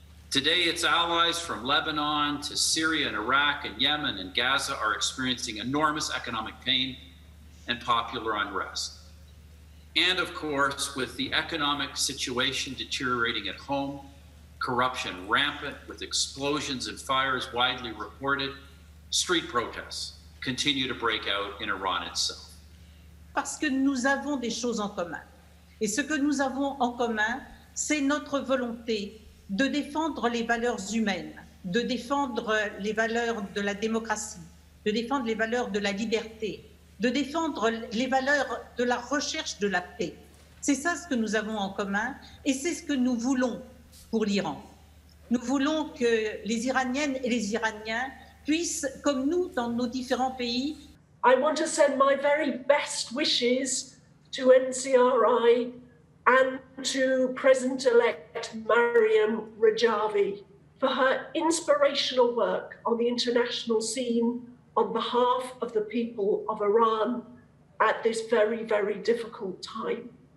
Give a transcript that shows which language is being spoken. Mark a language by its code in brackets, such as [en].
[en] Today, its allies from Lebanon to Syria and Iraq and Yemen and Gaza are experiencing enormous economic pain and popular unrest. And of course, with the economic situation deteriorating at home, corruption rampant with explosions and fires widely reported, street protests continue to break out in Iran itself. [fr] Parce que nous avons des choses en commun. Et ce que nous avons en commun, c'est notre volonté de défendre les valeurs humaines, de défendre les valeurs de la démocratie, de défendre les valeurs de la liberté, de défendre les valeurs de la recherche de la paix. C'est ça ce que nous avons en commun et c'est ce que nous voulons pour l'Iran. Nous voulons que les Iraniennes et les Iraniens puissent, comme nous, dans nos différents pays. [en] I want to send my very best wishes to NCRI and to President-elect Maryam Rajavi for her inspirational work on the international scene on behalf of the people of Iran at this very, very difficult time.